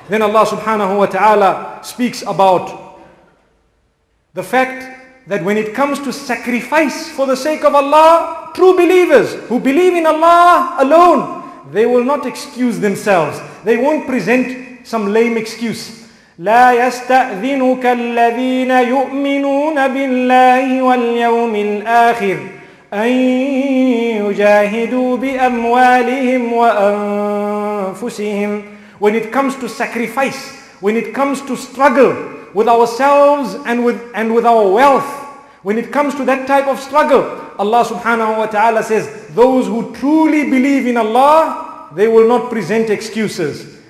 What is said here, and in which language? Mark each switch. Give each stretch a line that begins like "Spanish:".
English: Then Allah subhanahu wa ta'ala speaks about the fact that when it comes to sacrifice for the sake of Allah, true believers who believe in Allah alone, they will not excuse themselves. They won't present some lame excuse.
Arabic: لا يستأذنك الذين يؤمنون بالله واليوم الآخر أن يجاهدوا بأموالهم وأنفسهم.
English: When it comes to sacrifice, when it comes to struggle with ourselves and with our wealth, when it comes to that type of struggle, Allah subhanahu wa ta'ala says, those who truly believe in Allah, they will not present excuses.